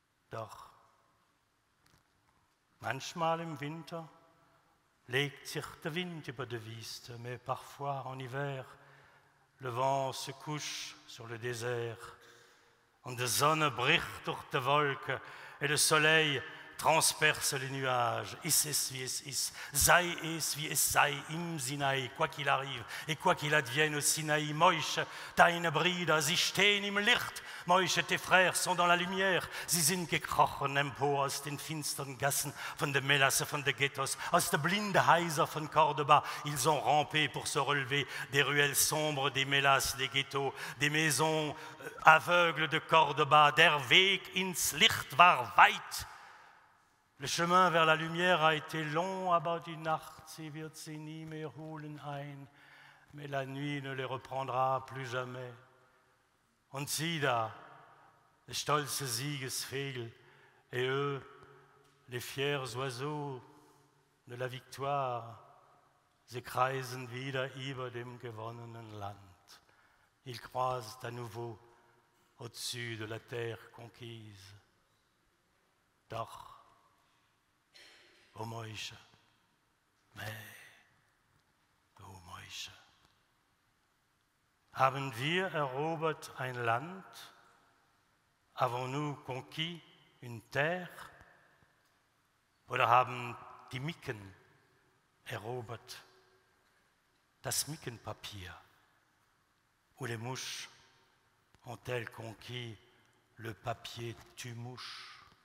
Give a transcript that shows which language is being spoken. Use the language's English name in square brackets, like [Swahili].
[German] Doch, manchmal im Winter legt sich der Wind über die Wüste, [French] mais parfois en hiver, le vent se couche sur le désert, [German] und die Sonne bricht durch die Wolke, [French] et le soleil transperce les nuages. [German] Ist es, wie es ist, sei es, wie es sei, im Sinai, [French] quoi qu'il arrive et quoi qu'il advienne au Sinai. [German] Moïse, deine Brüder, sie stehen im Licht. [French] Moïse, tes frères sont dans la lumière. [German] Sie sind gekrochen empor aus den finsteren Gassen von der Melasse, von der Ghettos, aus der blinden Häuser von Cordoba. [French] Ils ont rampé pour se relever des ruelles sombres, des Melasses, des Ghettos, des maisons aveugles de Cordoba. [German] Der Weg ins Licht war weit. [French] Le chemin vers la lumière a été long, [German] aber die Nacht, sie wird sie nie mehr holen ein, [French] mais la nuit ne les reprendra plus jamais. [German] Und sie da, les stolze Siegesvögel, [French] et eux, les fiers oiseaux de la victoire, [German] sie kreisen wieder über dem gewonnenen Land. [French] Ils croisent à nouveau au-dessus de la terre conquise. [German] Doch, oh Moïse, [French] mais, oh Moïse, [German] haben wir erobert ein Land? [French] Avons-nous conquis une terre? [German] Oder haben die Micken erobert das Mickenpapier? [French] Ou les mouches ont-elles conquis le papier tue-mouche?